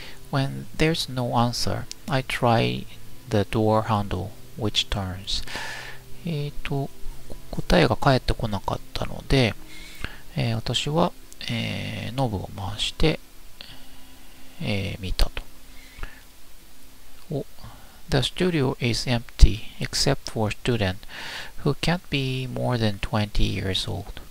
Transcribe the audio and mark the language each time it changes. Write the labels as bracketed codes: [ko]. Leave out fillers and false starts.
[en] When there's no answer, I try the door handle, which turns. [ja] 答えが返ってこなかったので、私は、ノブを回して、見たと。 [en] The studio is empty, except for a student who can't be more than 20 years old.